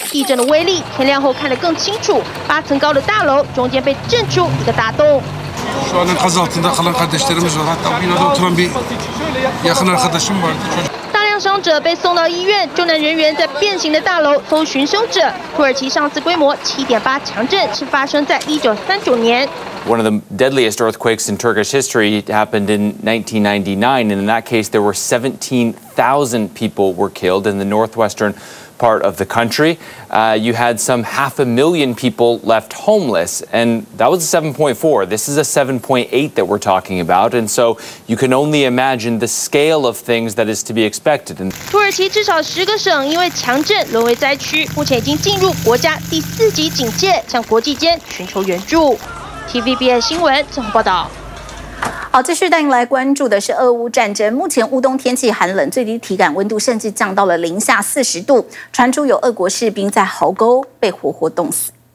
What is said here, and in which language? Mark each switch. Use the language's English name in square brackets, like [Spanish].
[Chinese] 地震的威力，天亮后看得更清楚。8层高的大楼中间被震出一个大洞。 [Turkish] Şu an enkaz altında kalan kardeşlerimiz var. Hatta binada oturan bir yakın arkadaşım vardı. [Chinese] 伤者被送到医院，救援人员在变形的大楼搜寻凶者。土耳其上次规模 7.8 强震是发生在1939年。 [English] One of the deadliest earthquakes in Turkish history happened in 1999, and in that case, there were 17,000 people were killed in the northwestern part of the country. You had some 500,000 people left homeless, and that was a 7.4. This is a 7.8 that we're talking about, and so you can only imagine the scale of things that is to be expected. [Chinese] 土耳其至少10个省因为强震沦为灾区，目前已经进入国家第4级警戒，向国际间寻求援助。 TVBS 新闻综合报道。好，继续带您来关注的是俄乌战争。目前乌东天气寒冷，最低体感温度甚至降到了零下四十度，传出有俄国士兵在壕沟被活活冻死。